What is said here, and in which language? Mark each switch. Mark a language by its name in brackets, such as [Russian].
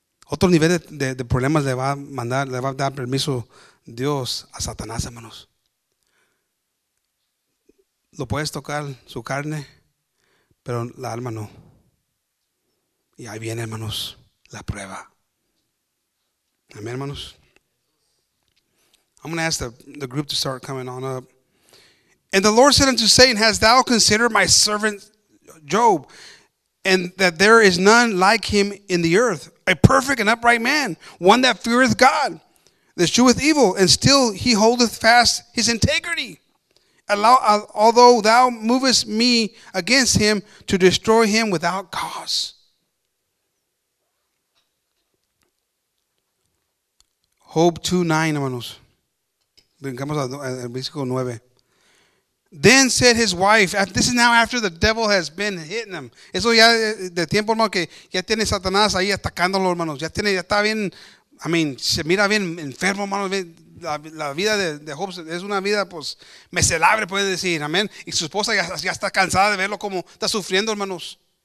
[Spanish] Otro nivel de problemas le va a dar permiso Dios a Satanás, hermanos. Lo puedes tocar su carne, pero la alma no. Y ahí viene, hermanos, la prueba. [English] Amén, hermanos. I'm going to ask the group to start coming on up. And the Lord said unto Satan, hast thou considered my servant Job, and that there is none like him in the earth, a perfect and upright man, one that feareth God, that sheweth evil, and still he holdeth fast his integrity. Although thou movest me against him to destroy him without cause. [Spanish] Job 2:9, hermanos. Brincamos al versículo 9. [English] Then said his wife, this is now after the devil has been hitting him. [Spanish] Eso ya de tiempo, hermano, que ya tiene Satanás ahí atacándolo, hermanos. Ya tiene, ya está bien, I mean, se mira bien enfermo, hermanos. La vida de Job es una vida, pues, miserable, puede decir, amén. Y su esposa ya está cansada de verlo como está sufriendo, hermanos.